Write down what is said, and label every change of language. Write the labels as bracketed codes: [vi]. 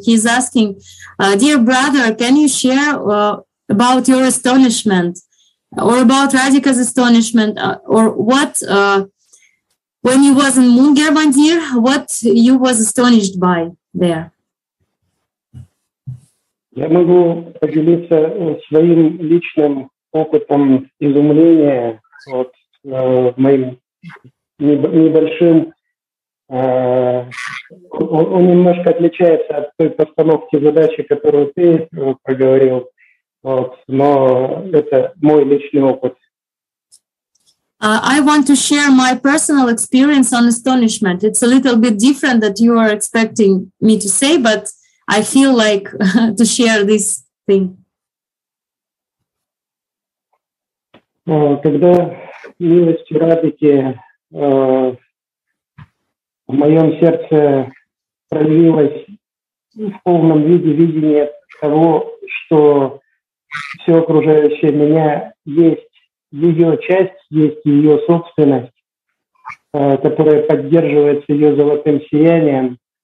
[en] He's asking, dear brother, can you share about your astonishment or about Radhika's astonishment or what when you was in Munger Mandir, what you was astonished by there? [ru] Я могу поделиться своим личным опытом изумления от моим небольшим. Он немножко отличается от той постановки задачи, которую ты проговорил, вот. Но это мой личный опыт. [en] I want to share my personal experience on astonishment. It's a little bit different than you are expecting me to say, but I feel like to share this thing. [ru] Когда милость Радики в моем сердце проявилось в полном виде видение того, что все окружающее меня есть ее часть, есть ее собственность, которая поддерживается ее золотым сиянием.